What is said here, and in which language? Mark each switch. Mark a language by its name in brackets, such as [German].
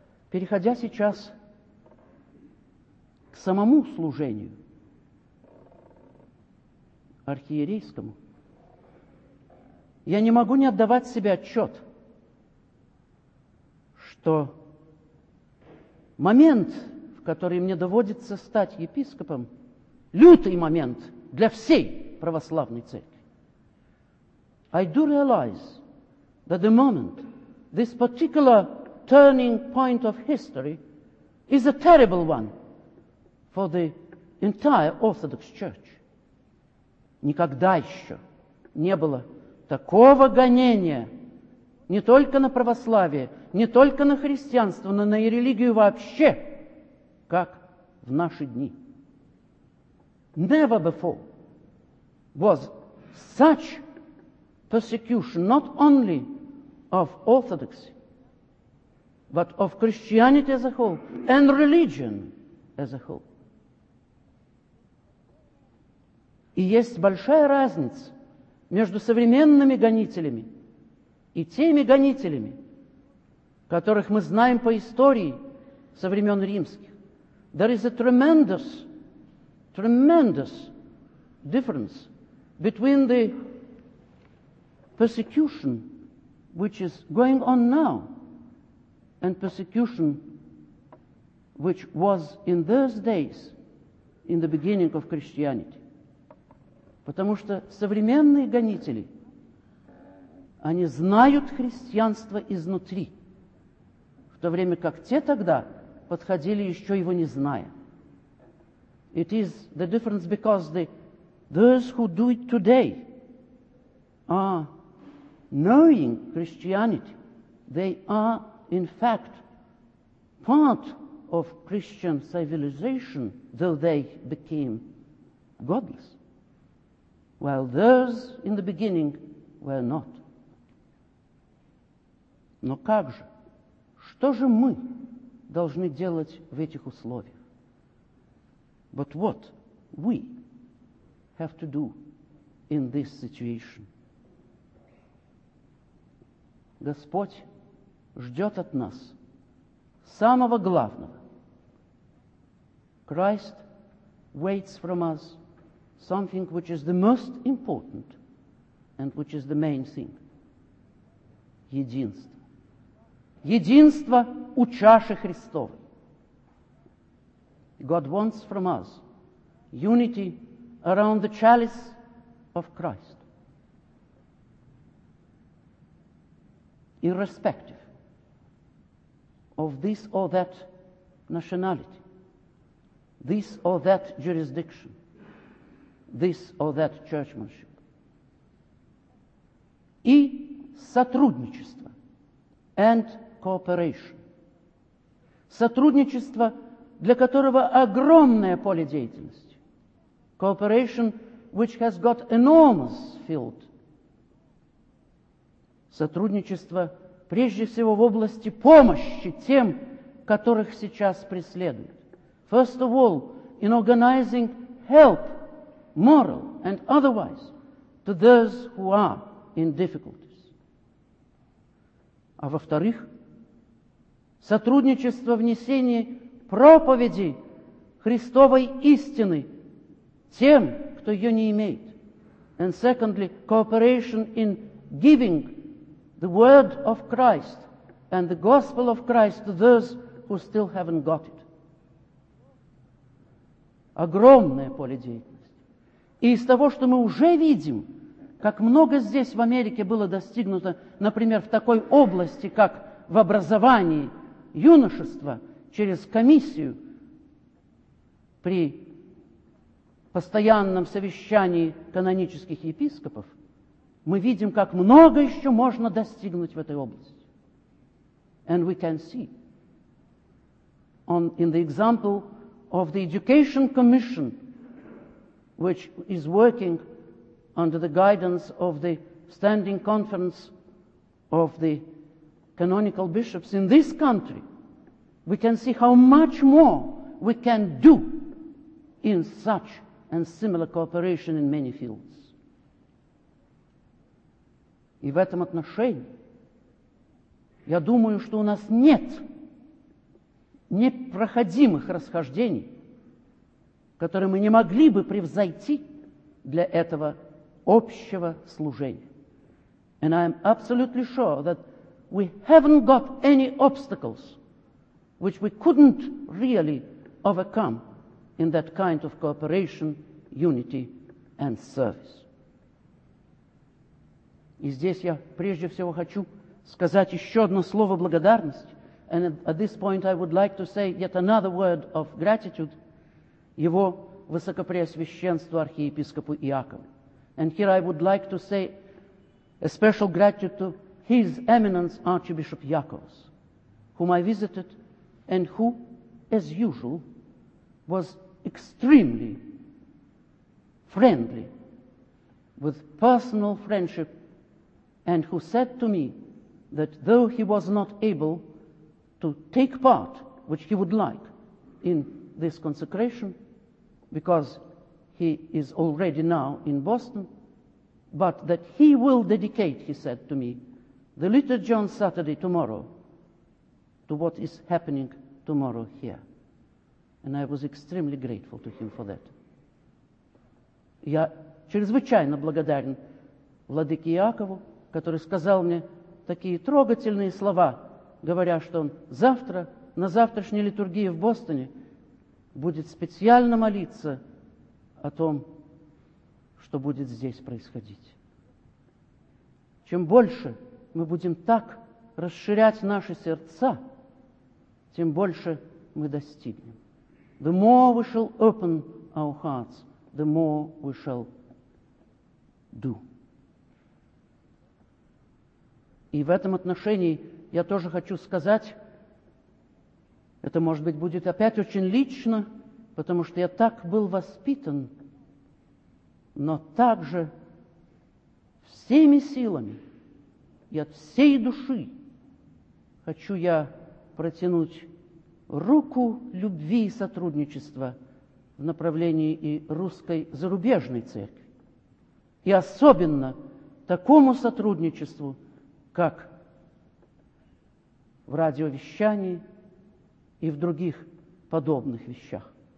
[Russian] Переходя сейчас к самому служению архиерейскому, я не могу не отдавать себе отчет, что момент, в который мне доводится стать епископом, лютый момент для всей православной церкви. [English] I do realize that the moment, this particular turning point of history, is a terrible one for the entire Orthodox Church. [Russian] Никогда еще не было такого гонения не только на православие, не только на христианство, но на и религию вообще, как в наши дни. [English] Never before was such persecution not only of Orthodoxy, but of Christianity as a whole and religion as a whole. [Russian] И есть большая разница между современными гонителями и теми гонителями, которых мы знаем по истории со времен римских. [English] There is a tremendous, tremendous difference between the persecution, which is going on now, and persecution, which was in those days in the beginning of Christianity. [Russian] Потому что современные гонители, они знают христианство изнутри, в то время как те тогда подходили еще его не зная. [English] It is the difference because those who do it today are knowing Christianity. They are, in fact, part of Christian civilization, though they became godless. While those in the beginning were not. [Russian] Но как же? Что же мы должны делать в этих условиях? [English] But what we have to do in this situation? [Russian] Господь ждет от нас самого главного. [English] Christ waits from us something which is the most important and which is the main thing. [Russian] Единство. Единство у чаши Христовой. [English] God wants from us unity around the chalice of Christ. Irrespective of this or that nationality, this or that jurisdiction, this or that churchmanship. [Russian] И сотрудничество [English] and cooperation. [Russian] Сотрудничество, для которого огромное поле деятельности. [English] Cooperation, which has got enormous field. [Russian] Сотрудничество, прежде всего, в области помощи тем, которых сейчас преследуют. [English] First of all, in organizing help, moral and otherwise, to those who are in difficulties. [Russian] А во-вторых, сотрудничество в несении проповеди Христовой истины тем, кто ее не имеет. [English] And secondly, cooperation in giving the word of Christ and the gospel of Christ to those who still haven't got it. [Russian] Огромное поле деятельности. И из того, что мы уже видим, как много здесь в Америке было достигнуто, например, в такой области, как в образовании юношества, через комиссию при постоянном совещании канонических епископов, мы видим, как много еще можно достигнуть в этой области. [English] And we can see in the example of the Education Commission, which is working under the guidance of the Standing Conference of the Canonical Bishops in this country, we can see how much more we can do in such and similar cooperation in many fields. [Russian] И в этом отношении, я думаю, что у нас нет непроходимых расхождений, которые мы не могли бы превзойти для этого общего служения. [English] And I am absolutely sure that we haven't got any obstacles which we couldn't really overcome in that kind of cooperation, unity and service. [Russian] И здесь я прежде всего хочу сказать еще одно слово благодарности. [English] And at this point I would like to say yet another word of gratitude [Russian] Его Высокопреосвященству Архиепископу Иакову. [English] And here I would like to say a special gratitude to His Eminence Archbishop Iakovos, whom I visited and who, as usual, was extremely friendly, with personal friendship, and who said to me that though he was not able to take part, which he would like, in this consecration, because he is already now in Boston, but that he will dedicate, he said to me, the liturgy on Saturday tomorrow to what is happening tomorrow here. And I was extremely grateful to him for that. [Russian] Я чрезвычайно благодарен владыке Иакову, который сказал мне такие трогательные слова, говоря, что он завтра, на завтрашней литургии в Бостоне, будет специально молиться о том, что будет здесь происходить. Чем больше мы будем так расширять наши сердца, тем больше мы достигнем. [English] The more we shall open our hearts, the more we shall do. [Russian] И в этом отношении я тоже хочу сказать, это, может быть, будет опять очень лично, потому что я так был воспитан, но также всеми силами и от всей души хочу я протянуть руку любви и сотрудничества в направлении и русской зарубежной церкви, и особенно такому сотрудничеству, как в радиовещании и в других подобных вещах.